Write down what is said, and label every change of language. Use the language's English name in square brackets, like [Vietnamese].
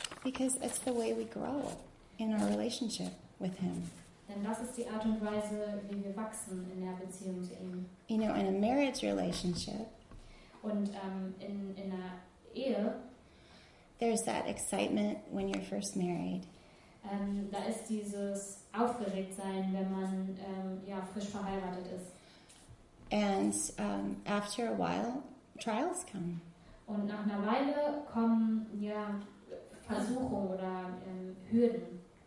[English] Because it's the way we grow in our relationship with him. [German] Denn das ist die Art und Weise, wie wir wachsen in der Beziehung zu ihm. [English] You know, in a marriage relationship, [German] und in einer Ehe, [English] there's that excitement when you're first married. [German] Da ist dieses Aufgeregtsein, wenn man frisch verheiratet ist. [English] And after a while, trials come. [German] Und nach einer Weile kommen Versuchungen oder Hürden.